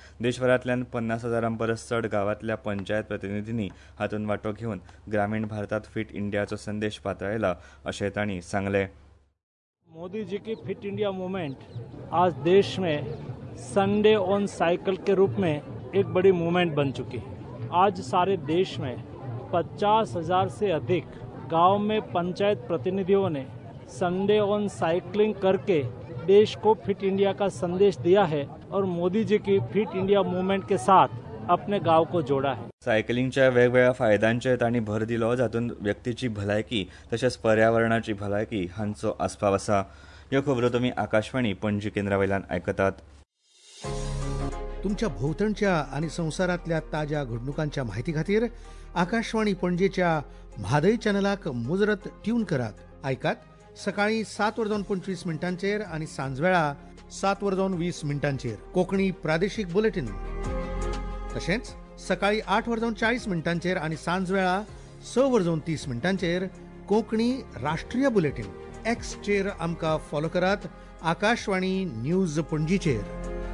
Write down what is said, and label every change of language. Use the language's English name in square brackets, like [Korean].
[Konkani] देशभरांतल्यान 50,000 परस चड गांवांतल्या पंचायत प्रतिनिधींनी हातूंत वांटो घेवन ग्रामीण भारतांत फिट इंडियाचो संदेश पातळायला अशें तांणी सांगले. [Hindi] मोदी जी की फिट इंडिया मूवमेंट आज देश में संडे ऑन साइकिल के रूप में एक बड़ी मूवमेंट बन चुकी है. आज सारे देश में 50,000 से अधिक गांव में पंचायत प्रतिनिधियों ने संडे ऑन साइकिलिंग करके देश को फिट इंडिया का संदेश दिया है और मोदी जी की फिट इंडिया मूवमेंट के साथ अपने गांव को जोड़ा है. [Konkani] सायकलिंगच्या वेगवेगळ्या फायद्यांचेर तांणी भर दिलो, जातूंत व्यक्तीची भलायकी तशेंच पर्यावरणाची भलायकी हांचो आस्पाव आसा. ह्यो खबरो तुमी आकाशवाणी पणजी केंद्रावेल्यान आयकतात. तुमच्या भोवतणच्या आनी संवसारांतल्या ताज्या घडणुकांच्या म्हायती खातीर आकाशवाणी पणजेच्या म्हादय चॅनलाक मुजरत ट्युन करात. आयकात सकाळी 7:25 आनी सांजवेळा 7:20 कोंकणी प्रादेशीक बुलेटिन. तसेच सकाळी 8:40 आणि सांजवेळा 6:30 कोकणी राष्ट्रीय बुलेटिन एक्सचेर आमका फॉलो करात आकाशवाणी न्यूज पणजीचेर।